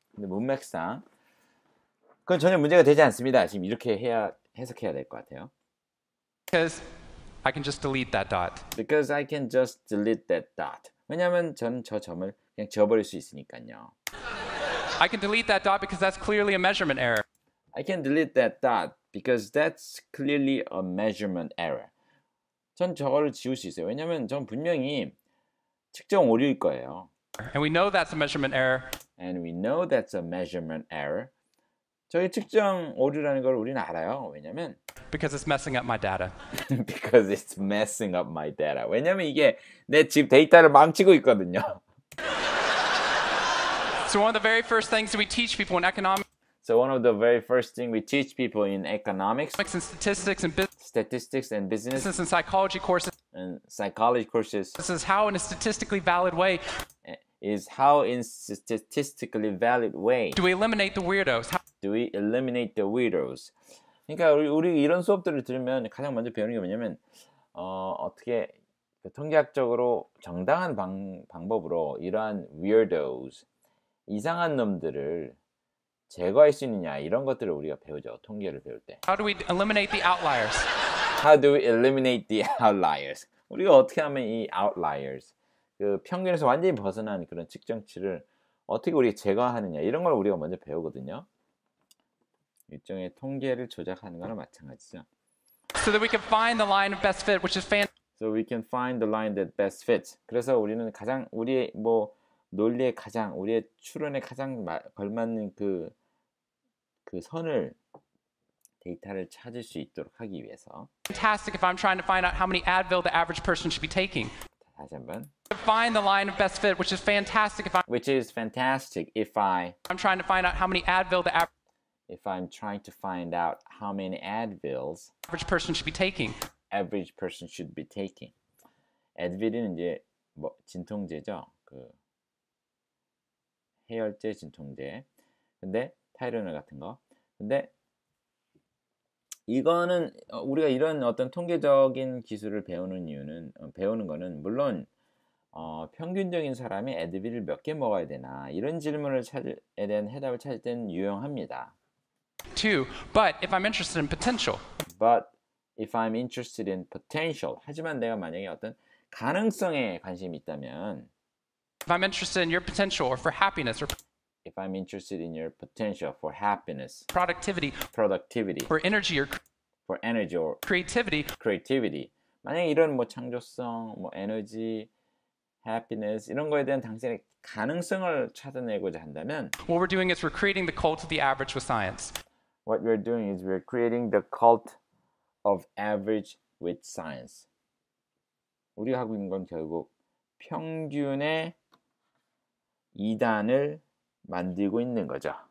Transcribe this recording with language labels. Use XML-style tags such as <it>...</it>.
<ko>근데 문맥상 그건 전혀 문제가 되지 않습니다. 지금 이렇게 해석해야 될 것 같아요.</ko> <en>Because I can just delete that dot. Because I can just delete that dot.</en> <ko>왜냐면 저는 저 점을 그냥 지워버릴 수 있으니까요.</ko> <en>I can delete that dot because that's clearly a measurement error. I can delete that dot because that's clearly a measurement error.</en> <ko>전 저거를 지울 수 있어요. 왜냐면 전 분명히 측정 오류일 거예요.</ko> <en>And we know that's a measurement error. And we know that's a measurement error.</en> <ko>저희 측정 오류라는 걸 우리는 알아요. 왜냐면</ko> <en>Because it's messing up my data. Because it's messing up my data.</en> <ko>왜냐면 이게 내 지금 데이터를 망치고 있거든요.</ko> <en>So one of the very first things that we teach people in economics. So one of the very first things we teach people in economics. Economics and statistics and business. Statistics and business. Business and psychology courses. And psychology courses. This is how in a statistically valid way. Is how in statistically valid way. Do we eliminate the weirdos? Do we eliminate the weirdos?</en> <ko>그러니까 우리 이런 수업들을 들으면 가장 먼저 배우는 게 뭐냐면 어떻게 통계학적으로 정당한 방법으로 이러한 weirdos 이상한 놈들을 제거할 수 있느냐 이런 것들을 우리가 배우죠 통계를 배울 때.</ko> <en>How do we eliminate the outliers? How do we eliminate the outliers?</en> <ko>우리가 어떻게 하면 이 outliers 그 평균에서 완전히 벗어난 그런 측정치를 어떻게 우리가 제거하느냐 이런 걸 우리가 먼저 배우거든요. 일종의 통계를 조작하는 거나 마찬가지죠.</ko> <en>So that we can find the line of best fit, which is fan. So we can find the line that best fits.</en> <ko>그래서 우리는 가장 우리의 뭐 논리에 가장 우리의 추론에 가장 걸맞는 그 선을 데이터를 찾을 수 있도록 하기 위해서.</ko> <en>Fantastic if I'm trying to find out how many Advil the average person should be taking.</en> <ko>다시 한번.</ko> <en>Find the line of best fit, which is fantastic if I. Which is fantastic if I. I'm trying to find out how many Advil the average. If I'm trying to find out how many Advils average person should be taking, average person should be taking.</en> <ko>Advil은 이제 뭐 진통제죠. 그 해열제 진통제. 근데 타이레놀 같은 거. 근데 이거는 우리가 이런 어떤 통계적인 기술을 배우는 이유는 배우는 거는 물론 평균적인 사람이 Advil을 몇 개 먹어야 되나 이런 질문을 찾에 대한 해답을 찾을 때는 유용합니다.</ko> <en>Two, but if I'm interested in potential. But if I'm interested in potential.</en> <ko>하지만 내가 만약에 어떤 가능성에 관심이 있다면</ko> <en>If I'm interested in your potential or for happiness or If I'm interested in your potential for happiness productivity for energy or for energy or creativity</en> <ko>만약에 이런 뭐 창조성, 뭐 에너지, happiness 이런 거에 대한 당신의 가능성을 찾아내고자 한다면</ko> <en>What we're doing is we're creating the cult of the average with science. What we're doing is we're creating the cult of average with science.</en> <ko>우리가 하고 있는 건 결국 평균의 이단을 만들고 있는 거죠.</ko>